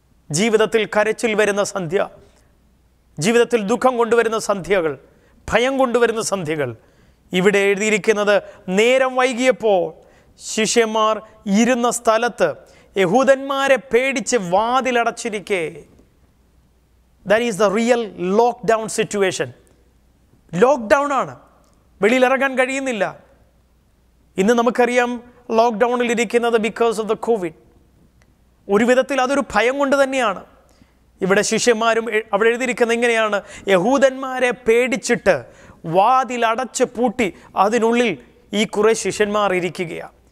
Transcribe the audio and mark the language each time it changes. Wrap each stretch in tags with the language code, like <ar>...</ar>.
<ml>ജീവിതത്തിൽ കരച്ചിൽ വരുന്ന സന്ധ്യ, ജീവിതത്തിൽ ദുഃഖം കൊണ്ടുവരുന്ന സന്ധ്യകൾ, ഭയം കൊണ്ടുവരുന്ന സന്ധ്യകൾ. ഇവിടെ എഴുതിയിരിക്കുന്നത് നേരം വൈകിയപ്പോൾ ശിഷ്യന്മാർ ഇരുന്ന സ്ഥലത്ത് യഹൂദന്മാരെ പേടിച്ച് വാതിലടച്ചിരിക്കെ.</ml> <en>That is the real lockdown situation.</en> <ml>Lockdown ആണ്, വെളിയിൽ ഇറങ്ങാൻ കഴിയുന്നില്ല. ഇന്ന് നമുക്കറിയാം ലോക്ക്ഡൗണിൽ ഇരിക്കുന്നത്</ml> <en>Because of the COVID.</en> <ml>ഒരു വിധത്തിൽ അതൊരു ഭയം കൊണ്ട് തന്നെയാണ്. ഇവിടെ ശിഷ്യന്മാരും അവിടെ എഴുതിയിരിക്കുന്നത് ഇങ്ങനെയാണ്: യഹൂദന്മാരെ പേടിച്ചിട്ട് വാതിലടച്ച് പൂട്ടി അതിനുള്ളിൽ ഈ കുറേ ശിഷ്യന്മാർ ഇരിക്കുകയാണ്.</ml>